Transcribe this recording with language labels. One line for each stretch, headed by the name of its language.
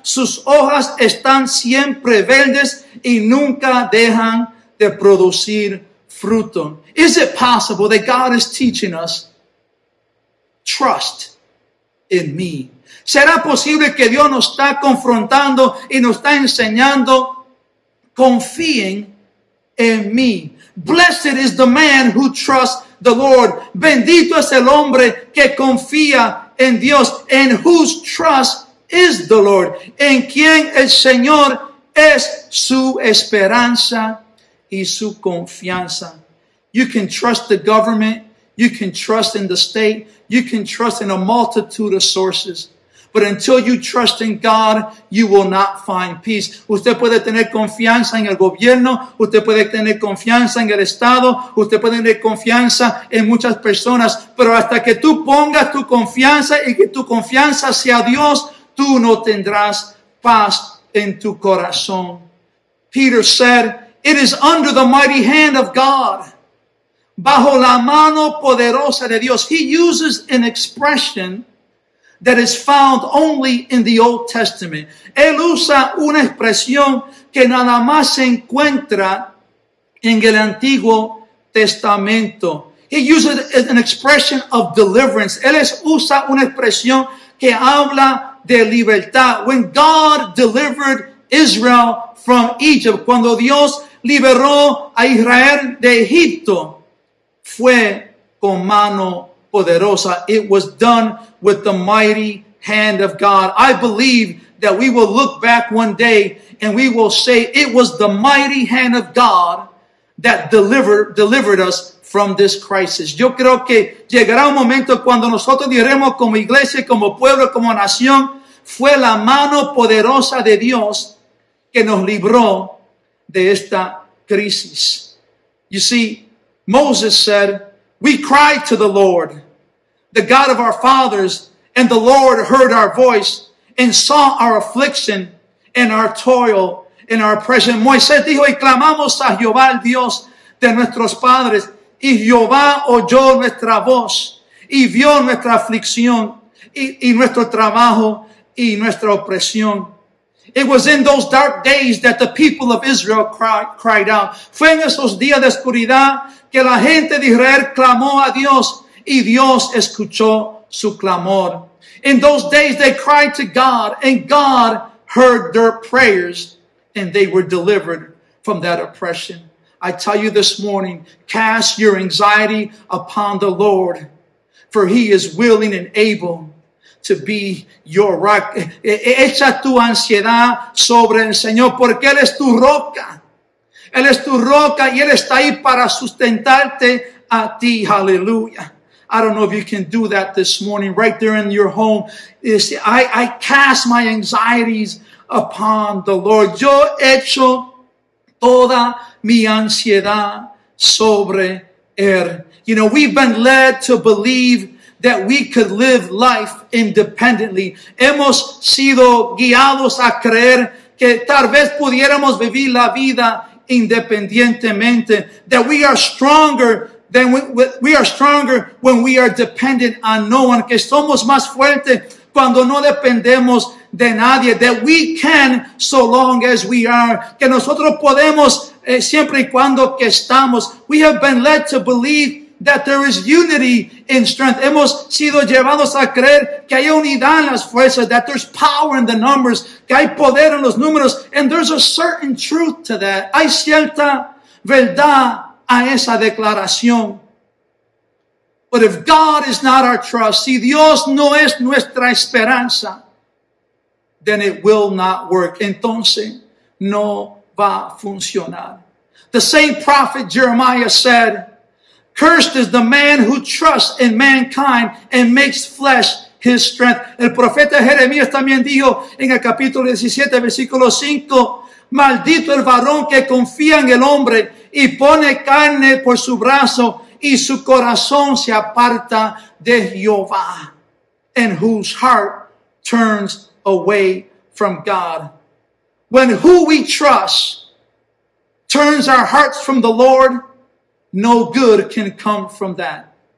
Spanish: Sus hojas están siempre verdes y nunca dejan de producir fruto.
English: Is it possible that God is teaching us trust in me?
Spanish: ¿Será posible que Dios nos está confrontando y nos está enseñando confiar en mí.
English: Blessed is the man who trusts the Lord.
Spanish: Bendito es el hombre que confía en Dios.
English: And whose trust is the Lord.
Spanish: En quien el Señor es su esperanza y su confianza.
English: You can trust the government. You can trust in the state. You can trust in a multitude of sources. But until you trust in God, you will not find peace.
Spanish: Usted puede tener confianza en el gobierno. Usted puede tener confianza en el Estado. Usted puede tener confianza en muchas personas. Pero hasta que tú pongas tu confianza y que tu confianza sea Dios, tú no tendrás paz en tu corazón.
English: Peter said, it is under the mighty hand of God.
Spanish: Bajo la mano poderosa de Dios.
English: He uses an expression that is found only in the Old Testament.
Spanish: Él usa una expresión que nada más se encuentra en el Antiguo Testamento.
English: He uses an expression of deliverance.
Spanish: Él usa una expresión que habla de libertad.
English: When God delivered Israel from Egypt,
Spanish: cuando Dios liberó a Israel de Egipto, fue con mano poderosa.
English: It was done with the mighty hand of God. I believe that we will look back one day and we will say it was the mighty hand of God that delivered us from this crisis.
Spanish: Yo creo que llegará un momento cuando nosotros diremos como iglesia, como pueblo, como nación, fue la mano poderosa de Dios que nos libró de esta crisis.
English: You see, Moses said, we cried to the Lord, the God of our fathers, and the Lord heard our voice and saw our affliction and our toil and our oppression.
Spanish: Moisés dijo, y clamamos a Jehová, el Dios de nuestros padres, y Jehová oyó nuestra voz y vio nuestra aflicción y nuestro trabajo y nuestra opresión.
English: It was in those dark days that the people of Israel cried out.
Spanish: Fue en esos días de oscuridad que la gente de Israel clamó a Dios y Dios escuchó su clamor.
English: In those days they cried to God and God heard their prayers and they were delivered from that oppression. I tell you this morning, cast your anxiety upon the Lord, for he is willing and able to be your rock.
Spanish: Echa tu ansiedad sobre el Señor, porque Él es tu roca. Él es tu roca y Él está ahí para sustentarte a ti.
English: Hallelujah. I don't know if you can do that this morning, right there in your home. I cast my anxieties upon the Lord.
Spanish: Yo echo toda mi ansiedad sobre Él.
English: You know, we've been led to believe that we could live life independently.
Spanish: Hemos sido guiados a creer que tal vez pudiéramos vivir la vida independientemente.
English: That we are stronger when we are dependent on no one.
Spanish: Que somos más fuertes cuando no dependemos de nadie.
English: That we can so long as we are.
Spanish: Que nosotros podemos siempre y cuando que estamos.
English: We have been led to believe that there is unity in strength.
Spanish: Hemos sido llevados a creer que hay unidad en las fuerzas,
English: that there's power in the numbers,
Spanish: que hay poder en los números,
English: and there's a certain truth to that.
Spanish: Hay cierta verdad a esa declaración.
English: But if God is not our trust,
Spanish: si Dios no es nuestra esperanza,
English: then it will not work.
Spanish: Entonces, no va a funcionar.
English: The same prophet Jeremiah said, cursed is the man who trusts in mankind and makes flesh his strength.
Spanish: El profeta Jeremías también dijo en el capítulo 17, versículo 5, maldito el varón que confía en el hombre y pone carne por su brazo y su corazón se aparta de Jehová,
English: and whose heart turns away from God. When who we trust turns our hearts from the Lord, no good can come from that.